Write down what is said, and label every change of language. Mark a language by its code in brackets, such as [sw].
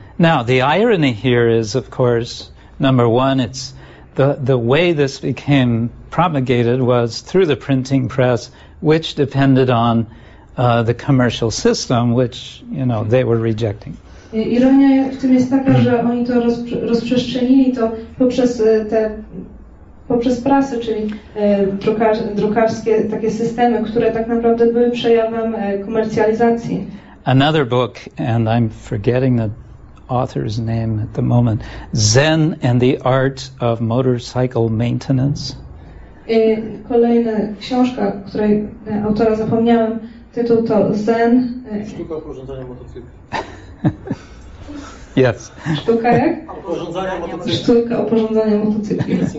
[en] Now the irony here is, of course, number one, it's the way this became propagated was through the printing press, which depended on the commercial system, which you know they were rejecting. [pl] Ironia w tym jest taka, że oni to rozprzestrzenili to poprzez te prasę, czyli drukarskie takie systemy, które tak naprawdę były przejawem komercjalizacji. [en] Another book, and I'm forgetting the author's name at the moment, Zen and the Art of Motorcycle Maintenance. [pl] Kolejna książka, której autora zapomniałem, tytuł to Zen. Sztuka oporządzania motocykli. [en] Yes. [pl] Sztuka jak? Oporządzania motocykli. Sztuka oporządzania motocykli.